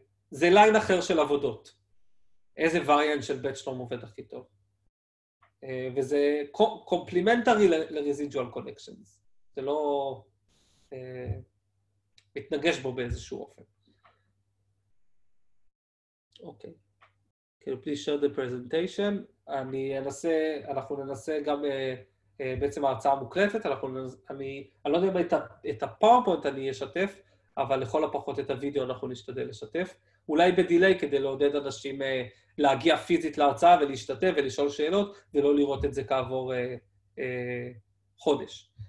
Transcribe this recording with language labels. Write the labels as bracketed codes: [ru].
[he] זה ליין אחר של עבודות. איזה variant של בטשנום עובד הכי טוב? וזה קומפלימנטרי ל-residual connections. זה לא מתנגש בו באיזשהו אופן. אוקיי. [en] Can you please share the presentation? [he] אנחנו ננסה גם בעצם ההרצאה המוקלטת, אני לא יודע אם את הפאורפוינט אני אשתף, אבל לכל הפחות את הווידאו אנחנו נשתדל לשתף. אולי בדילי כדי לעודד אנשים להגיע פיזית להרצאה ולהשתתף ולשאול שאלות, ולא לראות את זה כעבור חודש.